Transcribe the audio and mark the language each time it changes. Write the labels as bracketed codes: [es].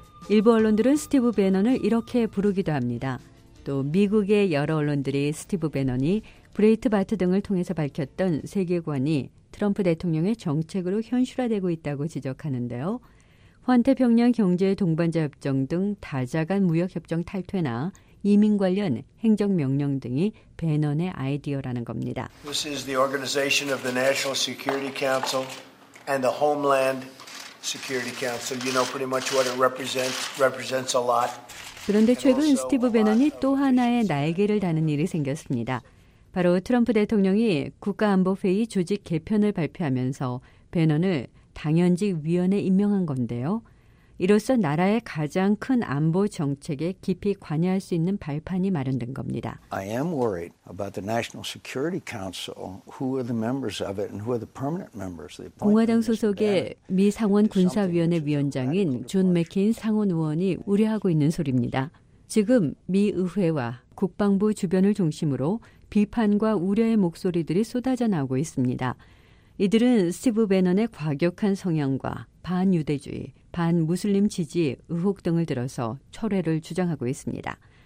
[ko] 일부 언론들은 스티브 배너를 이렇게 부르기도 합니다. 또 미국의 여러 언론들이 스티브 배너니 브레이트바트 등을 통해서 밝혔던 세계관이 트럼프 대통령의 정책으로 현실화되고 있다고 지적하는데요. 환태평양 경제동반자협정 등 다자간 무역협정 탈퇴나 이민 관련 행정명령 등이 배너의 아이디어라는 겁니다. [en] This is the organization of the National Security Council and the Homeland Security Council. You know pretty much what it represents a lot. [ko] 그런데 최근 스티브 배너니 또 하나의 날개를 다는 일이 생겼습니다. 바로 트럼프 대통령이 국가안보회의 조직 개편을 발표하면서 배너를 당연직 위원에 임명한 건데요. 이로써 나라의 가장 큰 안보 정책에 깊이 관여할 수 있는 발판이 마련된 겁니다. [en] I am worried about the National Security Council. Who are the members of it and who are the permanent members? [ko] 공화당 소속의 미 상원 군사위원회 위원장인 존 맥케인 상원 의원이 우려하고 있는 소리입니다. 지금 미 의회와 국방부 주변을 중심으로 비판과 우려의 목소리들이 쏟아져 나오고 있습니다. 이들은 스티브 배넌의 과격한 성향과 반유대주의, 반무슬림 지지 의혹 등을 들어서 철회를 주장하고 있습니다.